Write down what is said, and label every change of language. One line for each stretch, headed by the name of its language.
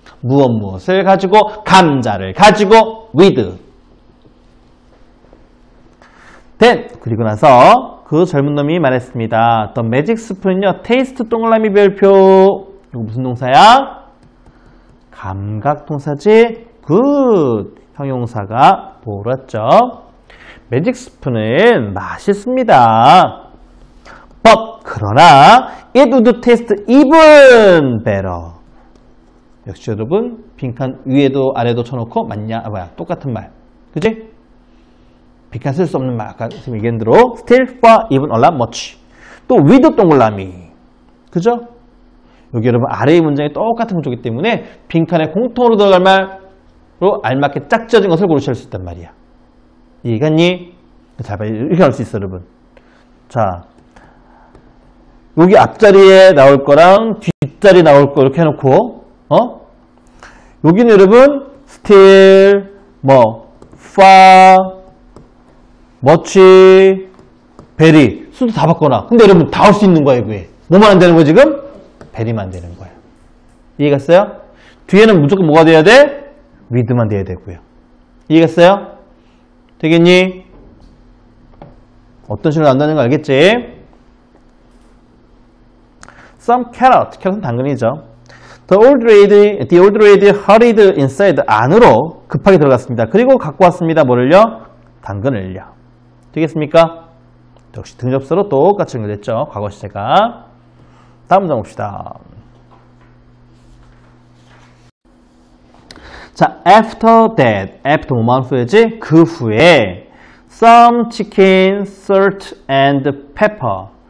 Korean: 무엇무엇을 가지고 감자를 가지고 with then 그리고 나서 그 젊은 놈이 말했습니다. The magic spoon은요 taste 동그라미 별표 이거 무슨 동사야? 감각동사지? good 형용사가 보았죠. 매직스푼은 맛있습니다.
English: but
Korean: 그러나
English: it would taste even better.
Korean: 역시 여러분 빈칸 위에도 아래도 쳐놓고 맞냐? 아, 뭐야 똑같은 말 그지? 빈칸 쓸 수 없는 말 아까 선생님 얘기한 대로 still, far, even, a lot, much 또 with 동그라미 그죠? 여기 여러분 아래의 문장이 똑같은 구조이기 때문에 빈칸에 공통으로 들어갈 말로 알맞게 짝 지어진 것을 고르실 수 있단 말이야. 이해갔니? 잘 봐요. 이렇게 할 수 있어 여러분. 자 여기 앞자리에 나올 거랑 뒷자리에 나올 거 이렇게 해놓고 여기는 여러분 still 뭐 far much very 순서 다 바꿔놔. 근데 여러분 다 할 수 있는 거야 이거에. 뭐만 안 되는 거야 지금? 베리만 되는 거예요. 이해갔어요? 뒤에는 무조건 뭐가 돼야 돼? 위드만 돼야 되고요. 이해갔어요? 되겠니? 어떤 식으로 나온다는 거 알겠지?
English: Some carrot.
Korean: 캐럿은 당근이죠.
English: The old lady hurried inside
Korean: 안으로 급하게 들어갔습니다. 그리고 갖고 왔습니다. 뭐를요? 당근을요. 되겠습니까? 역시 등접수로 똑같이 연결됐죠. 과거 시제가. 다음 문장 봅시다.
English: 자, after that.
Korean: after 뭐만 후에지? 그 후에
English: some chicken, salt and pepper.